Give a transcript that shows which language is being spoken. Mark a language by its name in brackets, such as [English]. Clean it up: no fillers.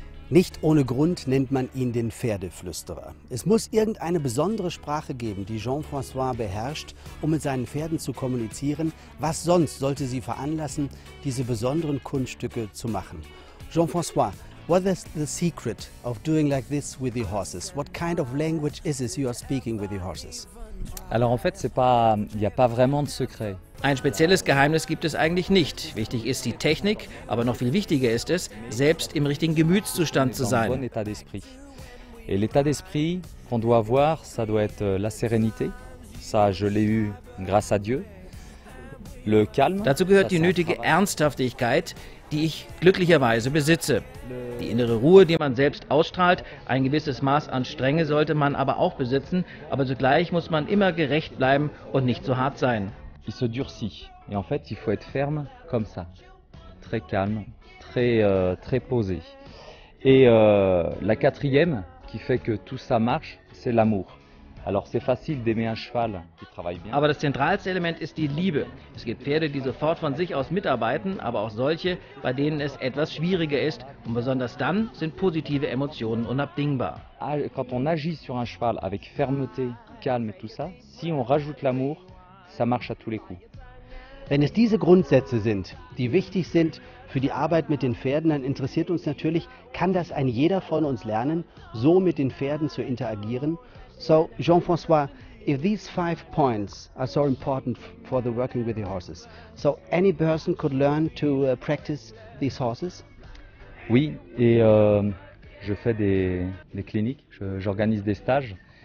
[German] Nicht ohne Grund nennt man ihn den Pferdeflüsterer. Es muss irgendeine besondere Sprache geben, die Jean-François beherrscht, um mit seinen Pferden zu kommunizieren. Was sonst sollte sie veranlassen, diese besonderen Kunststücke zu machen? [English] Jean-François, what is the secret of doing like this with the horses? What kind of language is it you are speaking with the horses? [French] Alors en fait, c'est pas, y a pas vraiment de secret. [German] Ein spezielles Geheimnis gibt es eigentlich nicht. Wichtig ist die Technik, aber noch viel wichtiger ist es, selbst im richtigen Gemütszustand zu sein. [French] Bon état d'esprit. Et l'état d'esprit qu'on doit avoir, ça doit être la sérénité. Ça, je l'ai eu grâce à Dieu. Le calme. [German] Dazu gehört die nötige Ernsthaftigkeit, die ich glücklicherweise besitze. Die innere Ruhe, die man selbst ausstrahlt, ein gewisses Maß an Strenge sollte man aber auch besitzen, aber zugleich muss man immer gerecht bleiben und nicht zu hart sein. [French] Il se durcit. Et en fait, il faut être ferme comme ça. Très calme, très très posé. Et la quatrième qui fait que tout ça marche, c'est l'amour. Alors c'est facile d'aimer un cheval qui travaille bien. [German] Aber das zentralste Element ist die Liebe. Es gibt Pferde, die sofort von sich aus mitarbeiten, aber auch solche, bei denen es etwas schwieriger ist. Und besonders dann sind positive Emotionen unabdingbar. [French] Quand on agit sur un cheval avec fermeté, calme et tout ça, si on rajoute l'amour, ça marche à tous les coups. [German] Wenn es diese Grundsätze sind, die wichtig sind für die Arbeit mit den Pferden, dann interessiert uns natürlich, kann das ein jeder von uns lernen, so mit den Pferden zu interagieren? [English] So, Jean-François, if these 5 points are so important for the working with the horses, so any person could learn to practice these horses? [French] Oui, et je fais des cliniques, j'organise des stages.